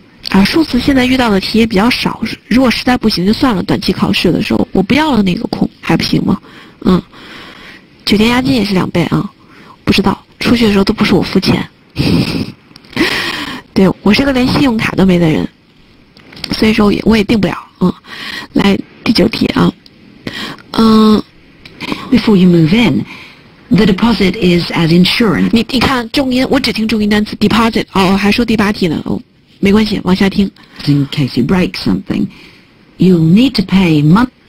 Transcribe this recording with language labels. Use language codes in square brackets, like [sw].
[zh] 啊，数字现在遇到的题也比较少，如果实在不行就算了，短期考试的时候我不要了那个空还不行吗？嗯，酒店押金也是两倍啊，不知道出去的时候都不是我付钱。对，我是个连信用卡都没的人，所以说我也定不了。嗯，来第九题啊。嗯， [en] Before you move inThe deposit is as insurance. [zh] 你看重音，我只听重音单词 deposit。哦，还说第八题呢。哦，没关系，往下听。 [en] In case you break something, you'll need to pay month.